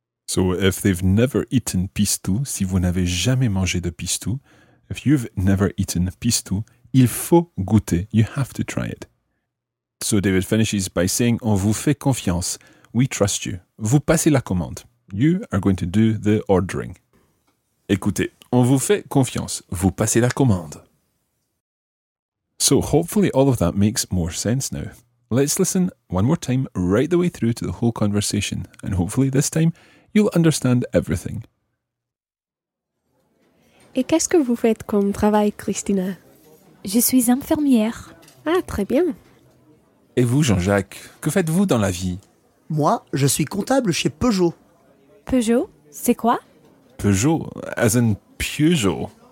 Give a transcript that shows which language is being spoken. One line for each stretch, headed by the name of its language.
English: So if they've never eaten pistou,
French: si vous n'avez jamais mangé de pistou,
English: if you've never eaten pistou,
French: il faut goûter,
English: you have to try it. So David finishes by saying,
French: on vous fait confiance,
English: we trust you.
French: Vous passez la commande,
English: you are going to do the ordering.
French: Écoutez, on vous fait confiance, vous passez la commande.
English: So hopefully all of that makes more sense now. Let's listen one more time right the way through to the whole conversation, and hopefully this time you'll understand everything.
French: Et qu'est-ce que vous faites comme travail, Christina? Je suis infirmière. Ah, très bien. Et vous, Jean-Jacques, que faites-vous dans la vie? Moi, je suis comptable chez Peugeot. Peugeot, c'est quoi?
English: Peugeot, as in Peugeot.